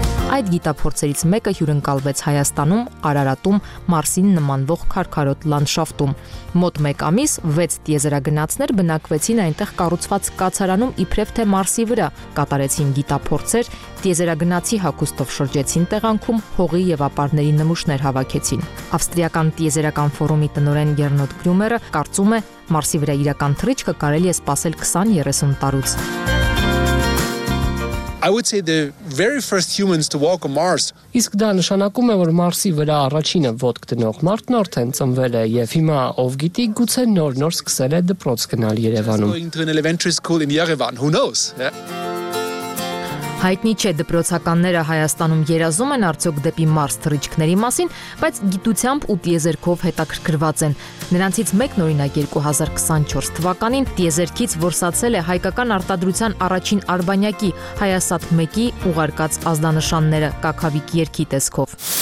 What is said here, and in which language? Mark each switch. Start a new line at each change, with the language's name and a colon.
Armenian: Այդ գիտափորձերից մեկը հյուրընկալվեց Հայաստանում, Արարատում, Մարսին նմանվող քարքարոտ լանդշաֆտում։ Մոտ մեկ ամիս 6 տիեզերագնացներ բնակվեցին այնտեղ կառուցված կացարանում, իբրև թե Մարսի վրա կատարեցին գիտափորձեր, տիեզերագնացի հագուստով շրջեցին տեղանքում, հողի եւ ապարների նմուշներ հավաքեցին։ Ավստրիական տիեզերական ֆորումի տնօրեն Գերնոտ Գրյումերը կարծում է, Մարսի վրա իրական թռիչքը կարելի է սպասել 20-30 տարուց։
English: I would say the very first humans to walk on Mars.
Armenian: Իսկ դա նշանակում է, որ Մարսի վրա առաջինը ոտք դնող մարդն արդեն ծնվել է, եւ հիմա ով գիտի, գուցե նոր սկսել է դպրոց գնալ Երևանում։ Հայտնի չէ դպրոցականները Հայաստանում երազում են արդյոք դեպի Մարս թռիչքների մասին, բայց գիտությամբ ու տիեզերքով հետաքրքրված են։ Նրանցից մեկն օրինակ 2024 թվականին տիեզերքից որսացել է հայկական արտադրության առաջին արբանյակի Հայասատ 1-ի ուղարկած ազդանշանները Կաքավիկ երգի տեսքով։